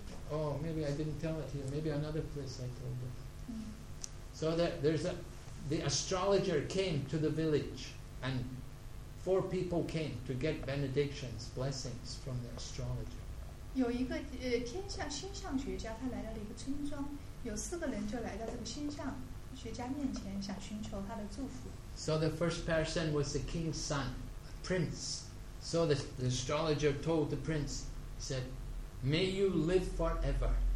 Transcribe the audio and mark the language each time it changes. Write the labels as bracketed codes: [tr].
[en] Oh, maybe I didn't tell it here. Maybe another place I told it. So that there's a, the astrologer came to the village, and four people came to get benedictions, blessings from the astrologer. [zh] 有一个天象星象学家，他来到了一个村庄，有四个人就来到这个星象学家面前，想寻求他的祝福。 [en] So the first person was the king's son, a prince. So the astrologer told the prince, said, "May you live forever."